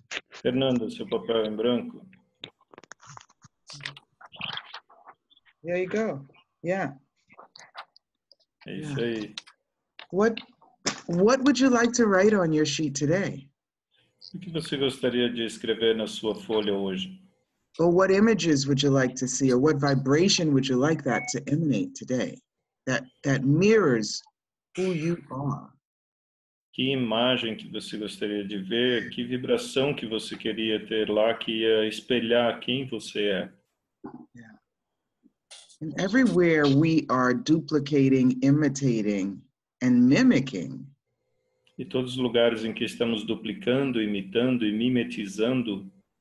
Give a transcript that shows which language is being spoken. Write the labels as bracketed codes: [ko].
[pt] Fernanda, seu papel em branco. [en] There you go. Yeah. [pt] É isso aí. [en] What would you like to write on your sheet today? [pt] O que você gostaria de escrever na sua folha hoje? [en] Or what images would you like to see? Or what vibration would you like that to emanate today? That mirrors who you are. [pt] Que imagem que você gostaria de ver? Que vibração que você queria ter lá que ia espelhar quem você é? [en] Yeah. And everywhere we are duplicating, imitating, and mimicking. [pt] E todos os lugares em que estamos duplicando, imitando e mimetizando.